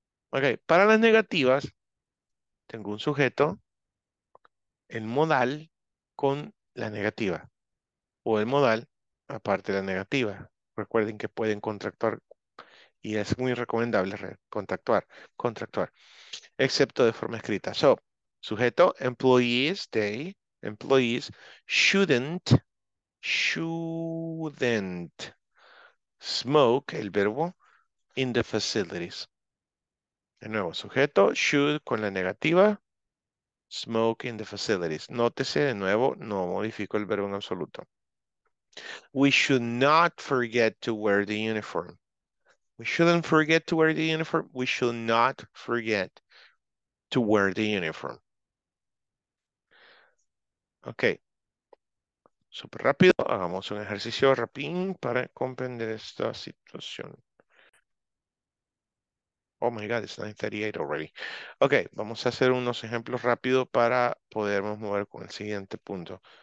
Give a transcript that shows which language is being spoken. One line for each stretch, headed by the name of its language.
Spanish: Ok, para las negativas, tengo un sujeto, el modal con la negativa. O el modal, aparte de la negativa. Recuerden que pueden contractuar, y es muy recomendable contractuar, excepto de forma escrita.
English: So, sujeto, employees, they... Employees shouldn't smoke,
Spanish: el verbo,
English: in the facilities.
Spanish: De nuevo, sujeto, should, con la negativa,
English: smoke in the facilities.
Spanish: Nótese de nuevo, no modifico el verbo en absoluto.
English: We should not forget to wear the uniform. We shouldn't forget to wear the uniform. We should not forget to wear the uniform.
Spanish: Ok, súper rápido, hagamos un ejercicio rapín para comprender esta situación.
English: Oh my God, it's 9:38 already.
Spanish: Ok, vamos a hacer unos ejemplos rápidos para podernos mover con el siguiente punto.